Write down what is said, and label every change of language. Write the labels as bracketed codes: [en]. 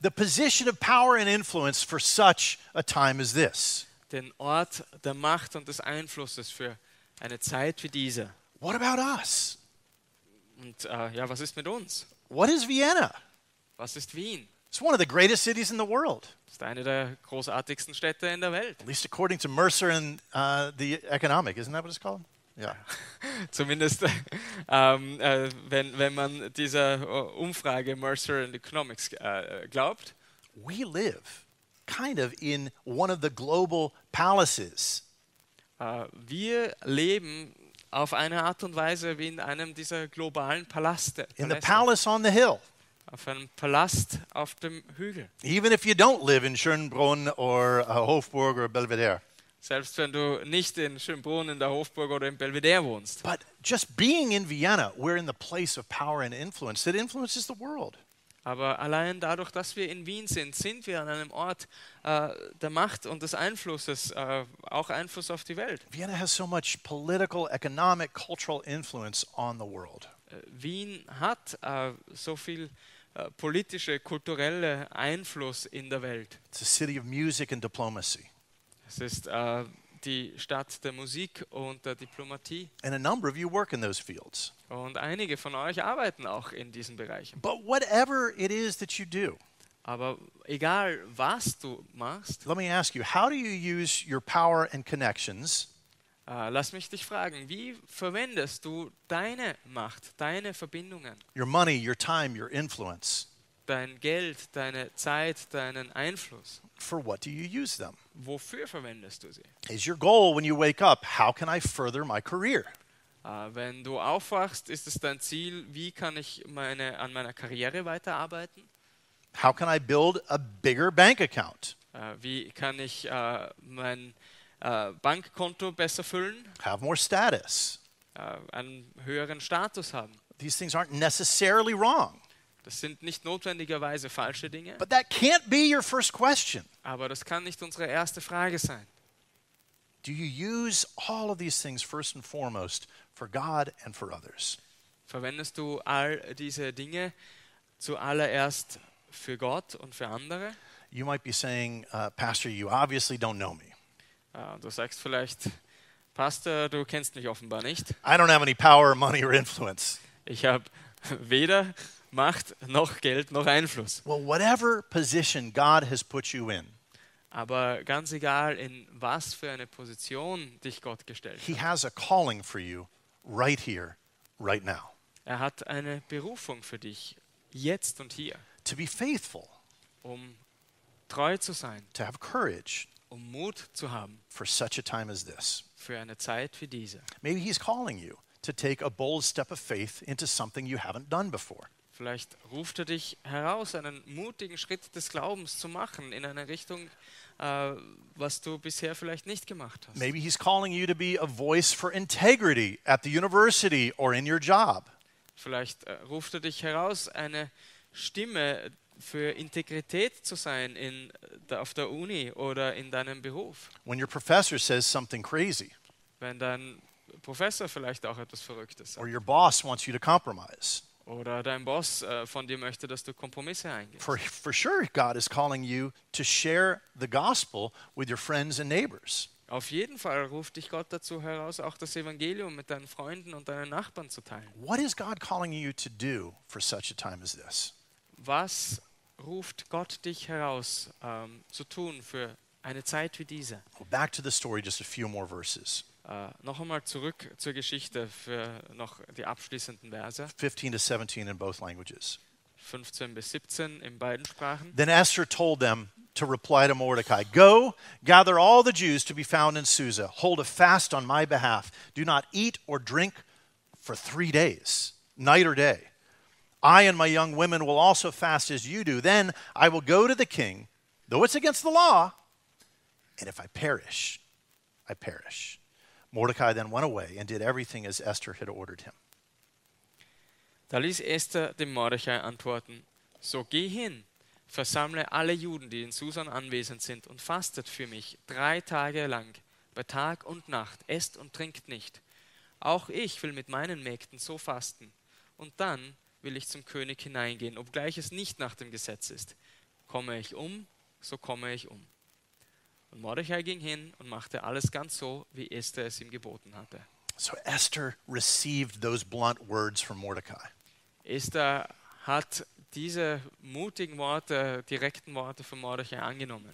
[en] The position of power and influence for such a time as this. [de] Den Ort der Macht und des Einflusses für eine Zeit wie diese. [en] What about us? [de] Und ja, was ist mit uns? [en] What is Vienna? [de] Was ist Wien? [en] It's one of the greatest cities in the world. [de] Ist eine der großartigsten Städte in der Welt. [en] At least according to Mercer and the Economic, isn't that what it's called? Yeah. [de] Zumindest wenn man dieser Umfrage Mercer and Economics glaubt. [en] We live kind of in one of the global palaces. [de] Wir leben auf eine Art und Weise wie in einem dieser globalen Paläste. [en] In the palace on the hill. [de] Auf einem Palast auf dem Hügel. [en] Even if you don't live in Schönbrunn or Hofburg or Belvedere. [de] Selbst wenn du nicht in Schönbrunn, in der Hofburg oder in Belvedere wohnst. [en] But just being in Vienna, we're in the place of power and influence that influences the world. [de] Aber allein dadurch, dass wir in Wien sind, sind wir an einem Ort der Macht und des Einflusses, auch Einfluss auf die Welt. [en] Vienna has so much political, economic, cultural influence on the world. [de] Wien hat so viel politische, kulturelle Einfluss in der Welt. [en] It's a city of music and diplomacy. [de] Es ist die Stadt der Musik und der Diplomatie. [en] And a number of you work in those fields. [de] Und einige von euch arbeiten auch in diesen Bereichen. [en] But whatever it is that you do, [de] aber egal was du machst, [en] let me ask you, how do you use your power and connections? [de] Lass mich dich fragen, wie verwendest du deine Macht, deine Verbindungen? [en] Your money, your time, your influence. [de] Dein Geld, deine Zeit, deinen Einfluss. [en] For what do you use them? [de] Wofür verwendest du sie? [en] Is your goal when you wake up, how can I further my career? [de] Wenn du aufwachst, ist es dein Ziel, wie kann ich an meiner Karriere weiterarbeiten? [en] How can I build a bigger bank account? [de] Wie kann ich mein Bankkonto besser füllen? [en] Have more status. [de] Einen höheren Status haben. [en] these things aren't necessarily wrong. [de] Das sind nicht notwendigerweise falsche Dinge. [en] But that can't be your first question. [de] Aber das kann nicht unsere erste Frage sein. [en] Do you use all of these things first and foremost for God and for others? [de] Verwendest du all diese Dinge zuallererst für Gott und für andere? [en] You might be saying, Pastor, you obviously don't know me. [de] Du sagst vielleicht, Pastor, du kennst mich offenbar nicht. [en] I don't have any power, money or influence. [de] Ich habe weder Macht noch Geld noch Einfluss. [en] Well, whatever position God has put you in. [de] Aber ganz egal, in was für eine Position dich Gott gestellt hat. [en] He has a calling for you right here, right now. [de] Er hat eine Berufung für dich jetzt und hier. [en] To be faithful. [de] Um treu zu sein. [en] To have courage. [de] Um Mut zu haben. [en] For such a time as this. [de] Für eine Zeit wie diese. [en] Maybe he's calling you to take a bold step of faith into something you haven't done before. [de] Vielleicht ruft er dich heraus, einen mutigen Schritt des Glaubens zu machen in eine Richtung, was du bisher vielleicht nicht gemacht hast. [en] Maybe he's calling you to be a voice for integrity at the university or in your job. [de] Vielleicht ruft er dich heraus, eine Stimme für Integrität zu sein in auf der Uni oder in deinem Beruf. [en] When your professor says something crazy. [de] Wenn dein Professor vielleicht auch etwas Verrücktes sagt. [en] Or your boss wants you to compromise. [de] Oder dein Boss von dir möchte, dass du Kompromisse eingehst. [en] For sure God is calling you to share the gospel with your friends and neighbors. [de] Auf jeden Fall ruft dich Gott dazu heraus, auch das Evangelium mit deinen Freunden und deinen Nachbarn zu teilen. [en] What is God calling you to do for such a time as this? [de] Was ruft Gott dich heraus zu tun für eine Zeit wie diese? [en] Well, back to the story, just a few more verses. [de] Noch einmal zurück zur Geschichte für noch die abschließenden Verse. [en] 15 to 17 in both languages. [de] 15 bis 17 in beiden Sprachen. [en] Then Esther told them to reply to Mordecai, "Go, gather all the Jews to be found in Susa. Hold a fast on my behalf. Do not eat or drink for 3 days, night or day. I and my young women will also fast as you do. Then I will go to the king, though it's against the law. And if I perish, I perish." Mordecai then went away and did everything as Esther had ordered him. [de] Da ließ Esther dem Mordechai antworten, so geh hin, versammle alle Juden, die in Susan anwesend sind und fastet für mich 3 Tage lang, bei Tag und Nacht, esst und trinkt nicht. Auch ich will mit meinen Mägden so fasten und dann will ich zum König hineingehen, obgleich es nicht nach dem Gesetz ist. Komme ich um, so komme ich um. Und Mordechai ging hin und machte alles ganz so, wie Esther es ihm geboten hatte. [en] So Esther received those blunt words from Mordecai. [de] Esther hat diese mutigen Worte, direkten Worte von Mordechai angenommen.